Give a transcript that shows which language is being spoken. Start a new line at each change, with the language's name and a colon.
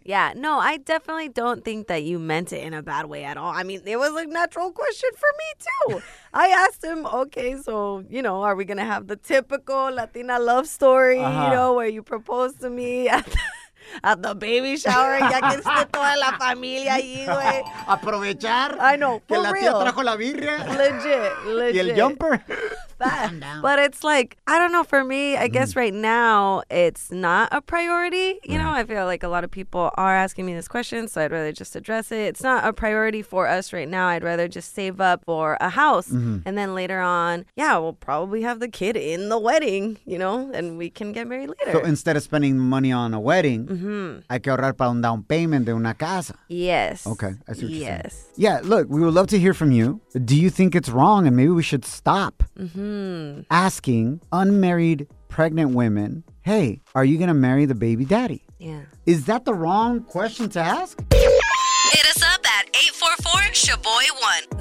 English: Yeah. No, I definitely don't think that you meant it in a bad way at all. I mean, it was a natural question for me, too. I asked him, okay, so, you know, are we going to have the typical Latina love story, uh-huh, you know, where you propose to me at the baby shower?
Spanish: Ya que esté toda la familia allí, güey. Aprovechar.
English: I know, for
Spanish: que
English: real.
Spanish: Que la tía trajo la birria.
English: Legit.
Spanish: Y el jumper.
English: But it's like, I don't know, for me, I guess right now, it's not a priority. You know, I feel like a lot of people are asking me this question, so I'd rather just address it. It's not a priority for us right now. I'd rather just save up for a house. Mm-hmm. And then later on, yeah, we'll probably have the kid in the wedding, you know, and we can get married later. So instead of spending money on a wedding, mm-hmm,
Spanish: hay que ahorrar para un down payment de una casa.
English: Yes. Okay, I see what you're saying. Yeah, look, we would love to hear from you. Do you think it's wrong and maybe we should stop? Mm-hmm. Asking unmarried pregnant women, hey, are you gonna marry the baby daddy? Yeah. Is that the wrong question to ask? Hit us up at 844-SHABOY1.